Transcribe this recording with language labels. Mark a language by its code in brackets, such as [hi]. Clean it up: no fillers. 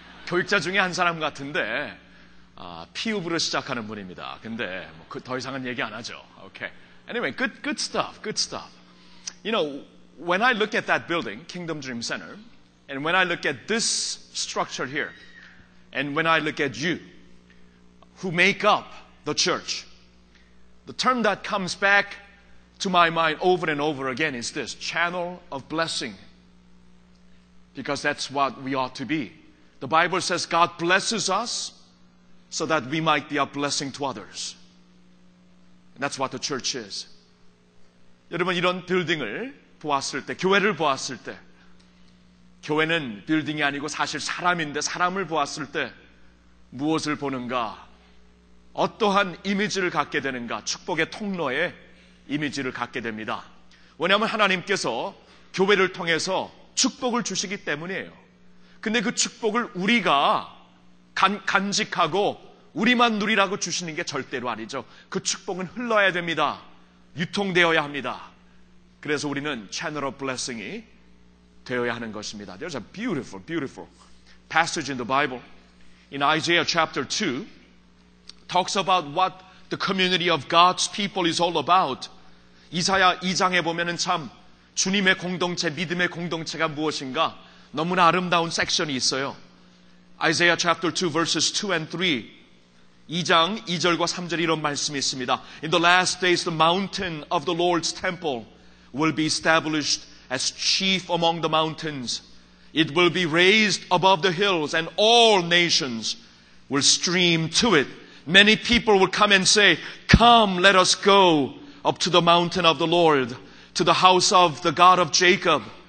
[ko] 교육자 중에 한 사람 같은데, PUB로 시작하는 분입니다. 근데 뭐 더 이상은 얘기 안 하죠. [en] Okay. Anyway, good stuff. Good stuff. You know, when I look at that building, Kingdom Dream Center, and when I look at this structure here, and when I look at you, who make up the church, the term that comes back to my mind over and over again is this, channel of blessing. Because that's what we ought to be. The Bible says God blesses us so that we might be a blessing to others. And that's what the church is. [ko] 여러분, 이런 빌딩을 보았을 때, 교회를 보았을 때, 교회는 빌딩이 아니고 사실 사람인데 사람을 보았을 때 무엇을 보는가? 어떠한 이미지를 갖게 되는가? 축복의 통로의 이미지를 갖게 됩니다. 왜냐하면 하나님께서 교회를 통해서 축복을 주시기 때문이에요. 근데 그 축복을 우리가 간직하고 우리만 누리라고 주시는 게 절대로 아니죠. 그 축복은 흘러야 됩니다. 유통되어야 합니다. 그래서 우리는 [en] channel of blessing [ko] 이 되어야 하는 것입니다. [en] There's a beautiful, beautiful passage in the Bible. In Isaiah chapter 2, talks about what the community of God's people is all about. [ko] 이사야 2장에 보면은 참 주님의 공동체, 믿음의 공동체가 무엇인가 너무나 아름다운 섹션이 있어요. [en] Isaiah chapter 2 verses 2 and 3. [ko] 2장 2절과 3절 이런 말씀이 있습니다. [en] In the last days the mountain of the Lord's temple will be established as chief among the mountains. It will be raised above the hills and all nations will stream to it. Many people will come and say, Come, let us go up to the mountain of the Lord, to the house of the God of Jacob.